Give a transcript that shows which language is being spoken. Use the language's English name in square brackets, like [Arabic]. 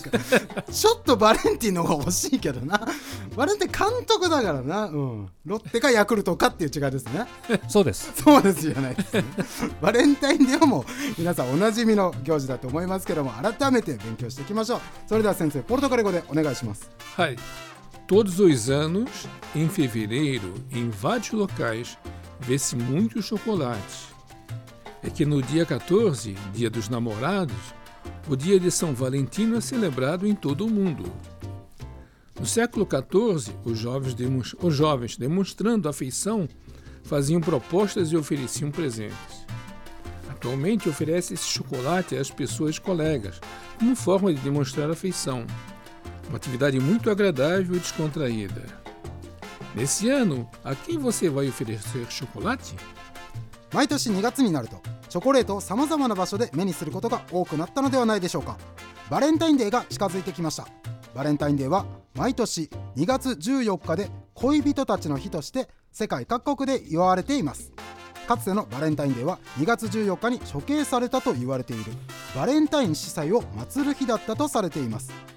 [Japanese] ちょっとバレンティンの方が欲しいけどな。バレンティン監督だからな、うん、ロッテかヤクルトかっていう違いですね。そうです。そうですじゃないです、ね、バレンタインデーも皆さんおなじみの行事だと思いますけども、改めて勉強していきましょう。それでは先生ポルトガル語でお願いします。はい。 [Portuguese] Todos os anos em fevereiro em vários locais vê-se muito chocolate。 É que no dia 14, dia dos namorados, o dia de São Valentino é celebrado em todo o mundo. No século XIV, os jovens, demonstrando afeição, faziam propostas e ofereciam presentes. Atualmente, oferece-se chocolate às pessoas colegas, como forma de demonstrar afeição. Uma atividade muito agradável e descontraída. Nesse ano, a quem você vai oferecer chocolate? [Japanese] 毎年2月になるとチョコレートを様々な場所で目にすることが多くなったのではないでしょうか。バレンタインデーが近づいてきました。バレンタインデーは毎年2月14日で恋人たちの日として世界各国で祝われています。かつてのバレンタインデーは2月14日に処刑されたと言われているバレンタイン司祭を祀る日だったとされています。